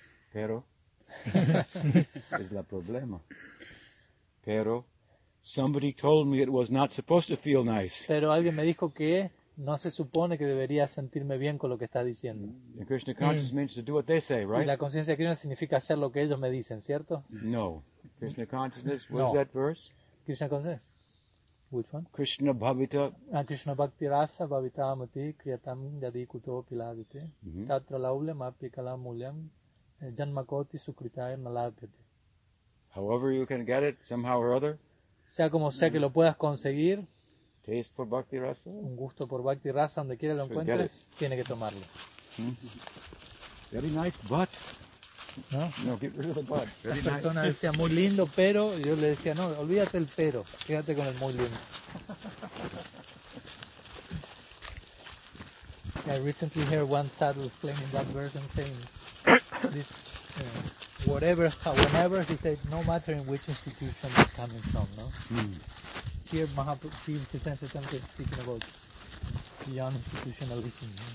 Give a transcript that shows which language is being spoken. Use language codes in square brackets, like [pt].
[es] pero, es la problema. Pero, [en] somebody told me it was not supposed to feel nice. [es] Pero alguien me dijo que no se supone que debería sentirme bien con lo que está diciendo. [en] And Krishna consciousness means to do what they say, right? [es] Y la conciencia de Krishna significa hacer lo que ellos me dicen, ¿cierto? [en] No. Krishna consciousness, what is that verse? Krishna consciousness. Which one? Krishna bhavita. [sa] Krishna bhakti rasa bhavita amati kriyatam yadi kuto pilavite. Tatra laule mapi kalamulyam janmakoti sukritaya malabhyate. [en] However you can get it, somehow or other. [es] Sea como sea que lo puedas conseguir. [en] Taste for bhakti rasa. [es] Un gusto por bhakti rasa, donde quiera lo encuentres, tiene que tomarlo. [en] Very nice, but. No, get rid of the bud. [es] La persona decía muy lindo, pero yo le decía, no, olvídate el pero, quédate con el muy lindo. [en] I recently heard one sadhu explaining that verse and saying, this, whatever, whenever, he said, no matter in which institution it's coming from, no? Here, Mahaprabhu seems to be speaking about beyond institutionalism.